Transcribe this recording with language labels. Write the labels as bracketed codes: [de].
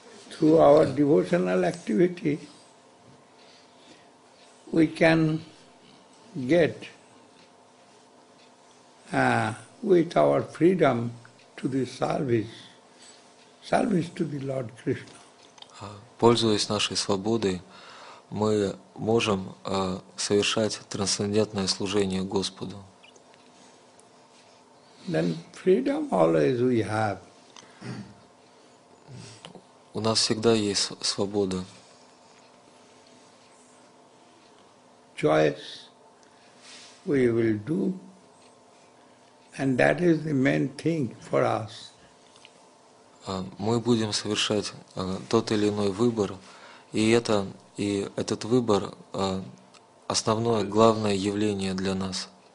[en] Through our devotional activity, we can get with our freedom to the service to the Lord Krishna. [ru] Пользуясь нашей свободой, мы можем совершать трансцендентное служение Господу. [en] Then freedom always we have. [ru] У нас всегда есть свобода. [en] Choice we will do, and that is the main thing for us. [ru] Мы будем совершать тот или иной выбор, и этот выбор основное, главное явление для нас.